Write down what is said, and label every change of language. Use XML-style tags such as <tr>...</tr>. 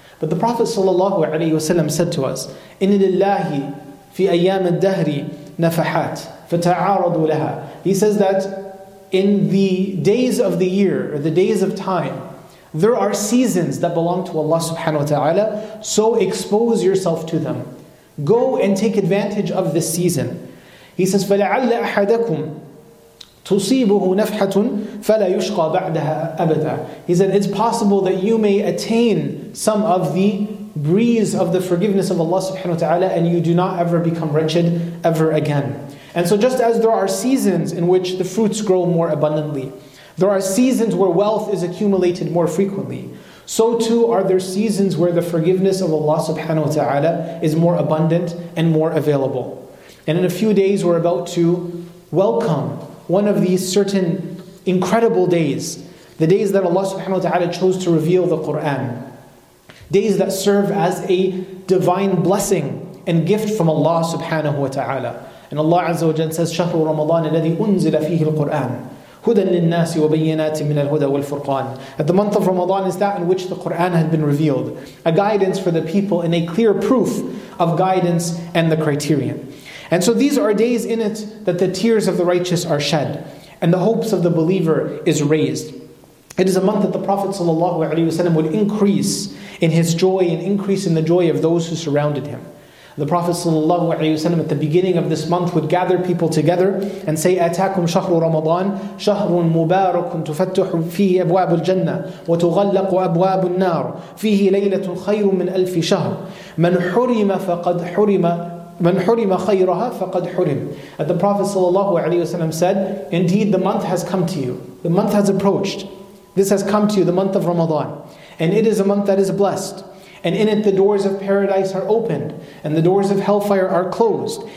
<en>But the Prophet sallallahu alaihi wasallam said to us,</en> <ar>إِنِ لِلَّهِ فِي أَيَّامِ الدَّهْرِ نَفَحَاتِ فَتَعَارَضُوا لَهَا.</ar> <en>He says that in the days of the year, or the days of time, there are seasons that belong to Allah subhanahu wa ta'ala, so expose yourself to them. Go and take advantage of this season. He says,</en> <ar>فَلَعَلَّ أَحَدَكُمْ تُصِيبُهُ نَفْحَةٌ فَلَا يُشْقَى بَعْدَهَا أَبَدًا.</ar> <en>He said, it's possible that you may attain some of the breeze of the forgiveness of Allah subhanahu wa ta'ala and you do not ever become wretched ever again. And so just as there are seasons in which the fruits grow more abundantly, there are seasons where wealth is accumulated more frequently, so too are there seasons where the forgiveness of Allah subhanahu wa ta'ala is more abundant and more available. And in a few days we're about to welcome one of these certain incredible days, the days that Allah subhanahu wa ta'ala chose to reveal the Qur'an, days that serve as a divine blessing and gift from Allah subhanahu wa ta'ala. And Allah Azza wa Jalla says,</en> <ar>شَهْرُ رَمَضَانَ الَّذِي أُنزِلَ فِيهِ الْقُرْآنِ هُدًى لِلنَّاسِ وَبَيِّنَاتٍ مِنَ الْهُدَى وَالْفُرْقَانِ.</ar> <en>That the month of Ramadan is that in which the Qur'an had been revealed, a guidance for the people and a clear proof of guidance and the criterion. And so these are days in it that the tears of the righteous are shed. and the hopes of the believer is raised. It is a month that the Prophet ﷺ would increase in his joy and increase in the joy of those who surrounded him. The Prophet ﷺ at the beginning of this month would gather people together and say,</en> <ar>أَتَاكُمْ شَهْرُ رَمَضَانِ شَهْرٌ مُبَارَكٌ تُفَتُّحُ فِيهِ أَبْوَابُ الْجَنَّةِ وَتُغَلَّقُ أَبْوَابُ النَّارِ فِيهِ لَيْلَةٌ خَيْرٌ مِنْ أَلْفِ شَهْرٍ مَنْ حُرِمَ فَقَدْ حُرِمَ مَنْ حُرِمَ خَيْرَهَا فَقَدْ حُرِمَ.</ar> <en>And the Prophet ﷺ said, indeed the month has come to you. The month has approached. This has come to you, the month of Ramadan. And it is a month that is blessed. And in it the doors of paradise are opened, and the doors of hellfire are closed.</en>